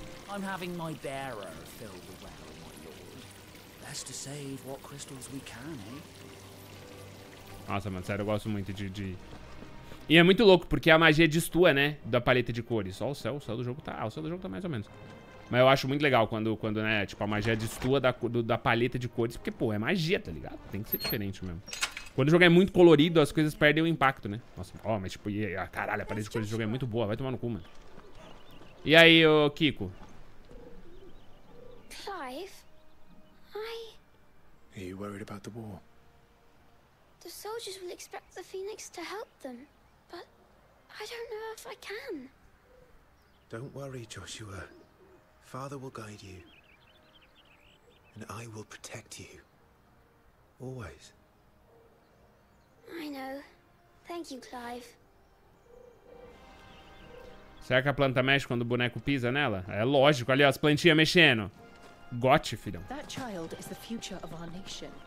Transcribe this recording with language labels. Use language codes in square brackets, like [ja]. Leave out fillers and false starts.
[en] I'm having my bearer fill the well, my lord. Best to save what crystals we can, eh? [pt] Nossa, mano, sério, eu gosto muito de... E é muito louco, porque a magia destoa, né? Da paleta de cores. Só o céu do jogo tá... Ah, o céu do jogo tá mais ou menos. Mas eu acho muito legal quando né? Tipo, a magia destoa da paleta de cores. Porque, pô, é magia, tá ligado? Tem que ser diferente mesmo. Quando o jogo é muito colorido, as coisas perdem o impacto, né? Nossa, ó, mas tipo, caralho, a parede de cores do jogo é muito boa, vai tomar no cu, mano. E aí, ô Kiko? Clive? Ai. [en] Are you worried about the war? The soldiers will expect the Phoenix to help them, but I don't know if I can. Don't worry, Joshua. Father will guide you. And I will protect you. Always. I know. Thank you, Clive. [pt] Será que a planta mexe quando o boneco pisa nela? É lógico, ali ó, as plantinhas mexendo. Gote, filhão. [en] That child is the future of our nation.